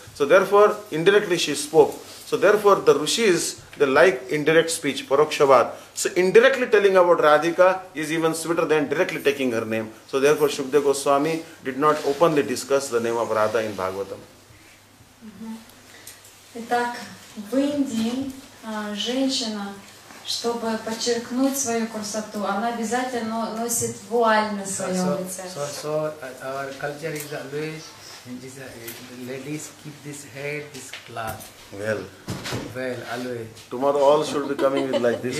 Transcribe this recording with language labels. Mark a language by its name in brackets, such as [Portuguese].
[English] So therefore, indirectly she spoke. So therefore, the rishis, they like indirect speech, parokshavad. So indirectly telling about Radhika is even sweeter than directly taking her name. So therefore, Shukdev Goswami did not openly discuss the name of Radha in Bhagavatam. [Russian] Итак, в Индии женщина, чтобы подчеркнуть свою красоту, она обязательно носит вуаль на своем лице. [English] So our culture is always, ladies keep this hair, this cloth. Well. Well, always. Tomorrow all should be coming with like this.